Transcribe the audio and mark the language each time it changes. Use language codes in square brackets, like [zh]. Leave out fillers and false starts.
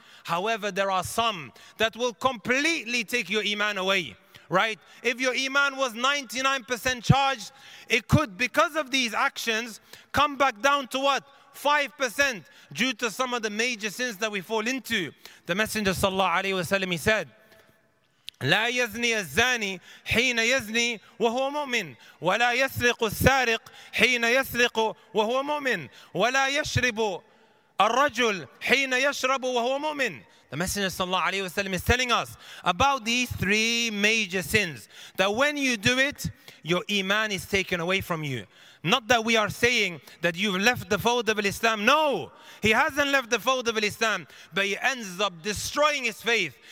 [en] However, there are some that will completely take your iman away. Right? If your iman was 99% charged, it could, because of these actions, come back down to what? 5% due to some of the major sins that we fall into. The Messenger sallallahu alayhi wa sallam, he said, [ar] لا يزني الزاني حين يزني وهو مؤمن ولا يسرق السارق حين يسرق وهو مؤمن ولا يشرب الرجل حين يشرب وهو مؤمن. [en] The Messenger sallallahu alayhi wa sallam is telling us about these three major sins, that when you do it, your iman is taken away from you. Not that we are saying that you've left the fold of Islam. No, he hasn't left the fold of Islam, but he ends up destroying his faith.